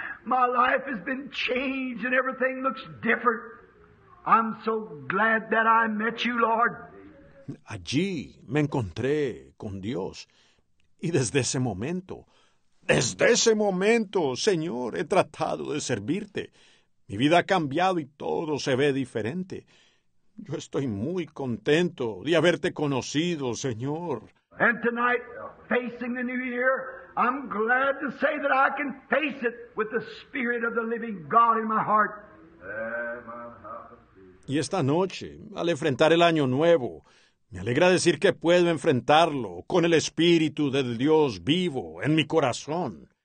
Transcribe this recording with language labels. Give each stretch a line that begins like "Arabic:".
English: My life has been changed, and everything looks different. I'm so glad that I met you, Lord.
Spanish: Allí me encontré con Dios, y desde ese momento, Señor, he tratado de servirte. Mi vida ha cambiado y todo se ve diferente. Yo estoy muy contento de haberte conocido, Señor.
English: And tonight, facing the new year, I'm glad to say that I can face it with the Spirit of the living God in my heart.
Spanish: Y esta noche, al enfrentar el año nuevo, me alegra decir que puedo enfrentarlo con el Espíritu del Dios vivo en mi corazón.